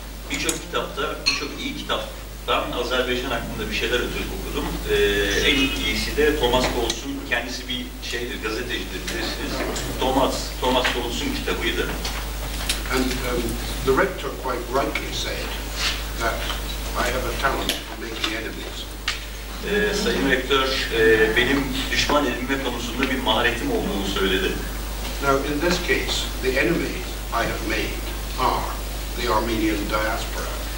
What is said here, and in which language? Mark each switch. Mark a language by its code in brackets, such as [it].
[tr] Birçok kitapta, birçok iyi kitaptan Azerbaycan hakkında bir şeyler ötürü okudum. En iyisi de Thomas Gottes'un, kendisi bir şeydir, gazetecidir bilirsiniz. Thomas Gottes'un kitabıydı. [en] And the rector quite rightly said that I have a talent for making enemies. [tr] Sayın rektör, benim düşman edinme konusunda bir maharetim olduğunu söyledi. [en] Now, in this case, the enemies I have made are the Armenian diaspora.